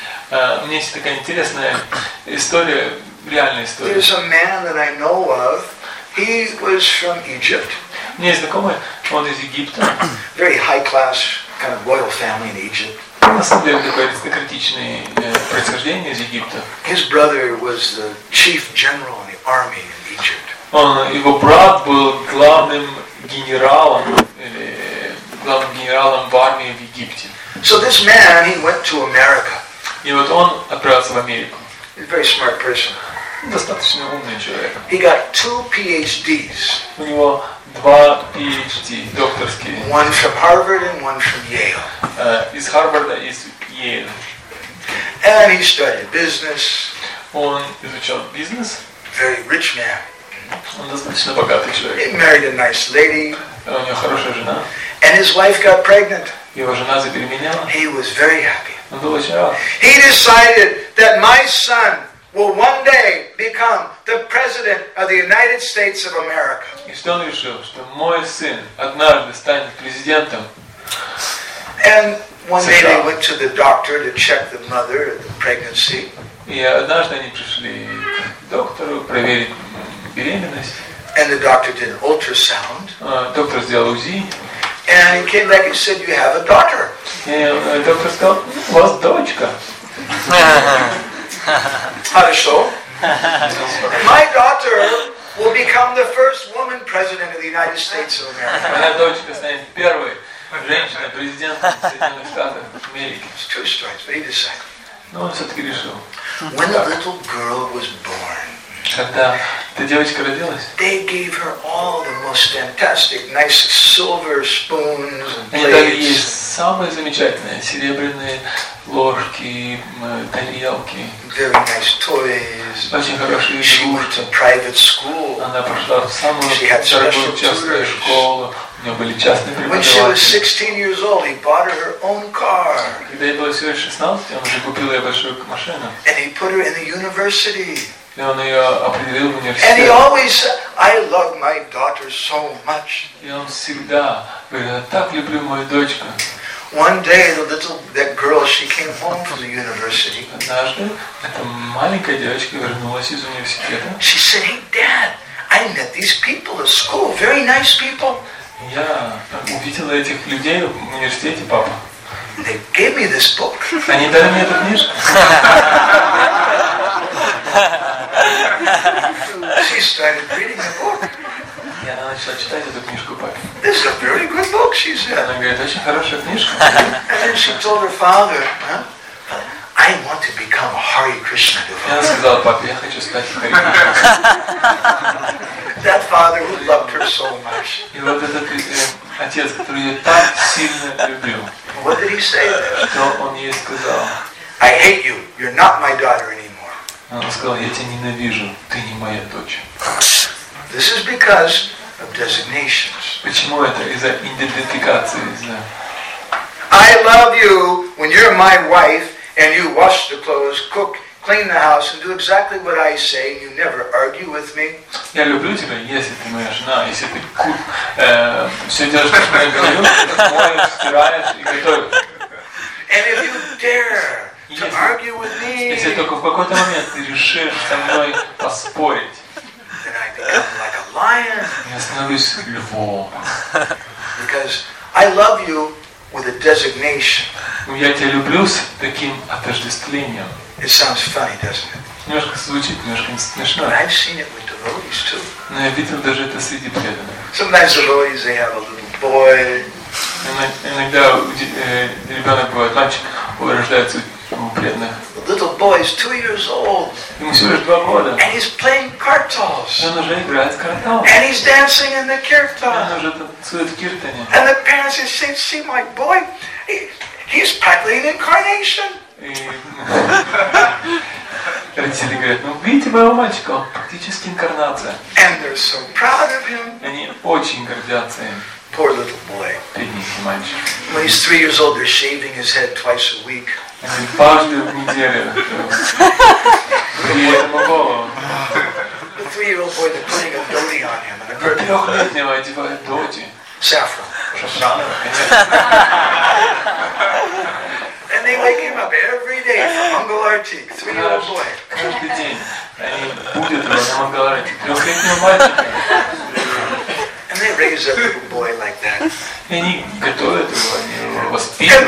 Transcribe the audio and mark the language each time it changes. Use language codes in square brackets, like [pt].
[ru] У меня есть такая интересная история, реальная история. [en] There's a man that I know of. He was from Egypt. [ru] У меня есть знакомый, он из Египта. [en] Very high class, kind of royal family in Egypt. [ru] На самом деле такое аристократичное происхождение из Египта. [en] His brother was the chief general in the army in Egypt. [ru] Его брат был главным генералом в армии в Египте. [en] So this man, he went to America. [ru] И вот он отправился в Америку. [en] He's a very smart person. [ru] Достаточно умный человек. [en] He got two PhDs. [ru] У него два PhD, докторские. [en] One from Harvard and one from Yale. [ru] Из Харварда и из Йеля. [en] And he studied business. [ru] Он изучал бизнес. [en] Very rich man. [ru] Он достаточно богатый человек. [en] He married a nice lady. [ru] У него хорошая жена. [en] And his wife got pregnant. [ru] Его жена забеременела. [en] He was very happy. [ru] Он был счастлив. [en] He decided that my son will one day become the president of the United States of America. [ru] И что он решил, что мой сын однажды станет президентом. [en] And one day they went to the doctor to check the mother, the pregnancy. [ru] И однажды они пришли к доктору проверить. [en] And the doctor did an ultrasound. [ru] Доктор сделал УЗИ. [en] And he came back and said, "You have a daughter." [ru] And доктор сказал, "У вас дочка." [en] How to show? My daughter will become the first woman president of the United States of America. [ru] Моя дочка станет первой женщиной президентом Соединенных Штатов Америки. [en] Two strikes, but he decided. [ru] Но он все-таки решил. [en] When the little girl was born. [ru] Когда Эта девочка родилась. [en] They gave her all the most fantastic, nice silver spoons and plates. [ru] Они дали ей самые замечательные серебряные ложки, тарелки. [en] Very nice toys. [ru] Очень хорошие игрушки. [en] She went to private school. [ru] Она прошла в самую дорогую частную школу. У нее были частные преподаватели. [en] When she was 16 years old, he bought her own car. [ru] Когда ей было всего 16, он уже купил ей большую машину. [en] And he put her in the university. [ru] И он ее определил в университет. [en] And he always said, I love my daughter so much. [ru] И он всегда говорил, я так люблю мою дочку. [en] One day, that girl, she came home from the university. [ru] Однажды эта маленькая девочка вернулась из университета. [en] She said, hey, Dad, I met these people at school, very nice people. [ru] Я увидела этих людей в университете, папа. [en] They gave me this book. [ru] Они дали мне эту книжку. [en] She started reading the book. [ru] И она начала читать эту книжку папе. [en] This is a very good book, she said. [ru] Она говорит, очень хорошая книжка. [en] And then she told her father, I want to become a Hare Krishna devotee. [ru] Она сказала папе, я хочу стать Hare Krishna. [en] That father who loved her so much. [ru] И вот этот отец, который ее так сильно любил. [en] What did he say? [ru] Что он ей сказал? [en] I hate you. You're not my daughter anymore. [ru] Она сказала, я тебя ненавижу, ты не моя дочь. [en] This is because of designations. [ru] Почему это? Из-за идентификации, из-за. [en] I love you when you're my wife and you wash the clothes, cook, clean the house and do exactly what I say and you never argue with me. [ru] Я люблю тебя, если ты моя жена, если ты все делаешь, как я говорю, моешь, стираешь и готовишь. [en] And if you dare to argue with me. [ru] Если только в какой-то момент ты решишь со мной поспорить. [en] Then I become like a lion. [ru] Я становлюсь львом. [en] Because I love you with a designation. [ru] Я тебя люблю с таким отождествлением. [en] It sounds funny, doesn't it? [ru] Немножко звучит, немножко смешно. [en] But I've seen it with devotees too. [ru] Но я видел даже это среди преданных. [en] Sometimes devotees they have a little boy. [ru] Иногда ребенок бывает мальчик, он рождается. [en] The little boy is 2 years old. [ru] Ему всего лишь 2 года. [en] And he's playing kirtals. [ru] И он уже играет в картал. [en] And he's dancing in the kirtan. [ru] И он уже танцует в киртане. [en] And the parents are saying, "See my boy, he's practically an incarnation." [ru] И родители говорят, "Ну видите моего мальчика, он практически инкарнация." [en] And they're so proud of him. [ru] Они очень гордятся им. [en] Poor little boy. [ru] Бедненький мальчик. [en] When he's 3 years old, they're shaving his head twice a week. [ru] Дважды в неделю. И ему голову. Трехлетнего одевают доти. [en] Saffron. [ru] Шафрана, конечно. [en] And they wake him up every day from Uncle Archie. Three-year-old boy. [ru] Каждый день они будут его на [en] Uncle Archie. [ru] Трехлетнего мальчика. [en] And they raise a little boy like that. [ru] И они готовят его, они его воспитывают.